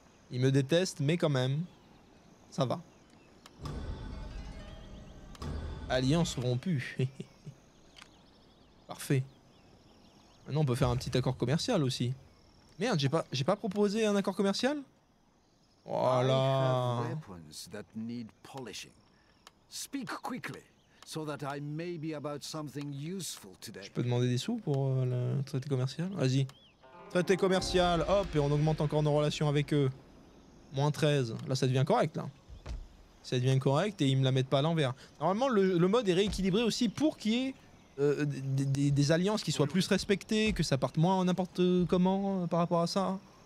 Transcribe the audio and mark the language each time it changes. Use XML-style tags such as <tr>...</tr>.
<fr>Il me déteste, mais quand même, ça va. Alliance rompue. Parfait. Maintenant, on peut faire un petit accord commercial aussi. Merde, j'ai pas proposé un accord commercial ? Voilà.</fr> <en>I have weapons that need polishing. Speak quickly, so that I may be about something useful today.</en> <fr>Je peux demander des sous pour le traité commercial ? Vas-y. Traité commercial, hop, et on augmente encore nos relations avec eux. Moins 13. Là, ça devient correct, là. Ça devient correct et ils me la mettent pas à l'envers. Normalement, le mode est rééquilibré aussi pour qu'il y ait des alliances qui soient plus respectées, que ça parte moins n'importe comment par rapport à ça.</fr>